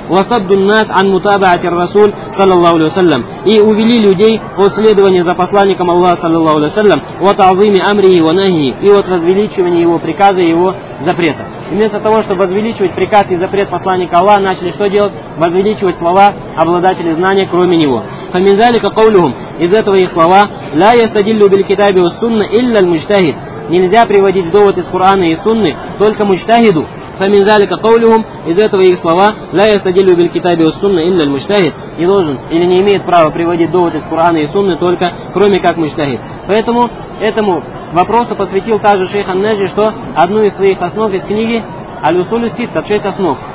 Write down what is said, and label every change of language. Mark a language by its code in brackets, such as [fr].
[ar] وَصَدُّ النَّاسَ عَنْ مُتَابَعَةِ الرَّسُولِ صَلَّى اللَّهُ عَلَيْهِ وَسَلَّمَ. [ru] И увели людей от следования за посланником Аллаха, саллаллаху алейхи ва саллям, [ar] وَتَعْظِيمِ أَمْرِهِ وَنَهْيِهِ. [ru] И от возвеличивания его приказа и его запрета. И вместо того, чтобы возвеличивать приказ и запрет посланника Аллаха, начали что делать? Возвеличивать слова обладателей знания, кроме него. [ar] فَمِنْ ذَلِكَ قَوْلُهُمْ. [ru] Из этого их слова. [ar] لَا يَسْتَدِلُّ بِالْكِتَابِ وَالسُّنَّةِ إِلَّا الْمُجْتَهِدُ. [ru] нельзя приводить довод из Курана и Сунны только мучтахиду. [ar] Фамин залика каулюхум, [ru] из этого их слова, [ar] ла ястадилю биль китаби ва сунна илля аль мучтахид, [ru] не должен или не имеет права приводить довод из Курана и Сунны только, кроме как мучтахид. Поэтому этому вопросу посвятил также шейх ан-Наджи, что одну из своих основ из книги «Аль-Усулю Ситта», «Шесть основ».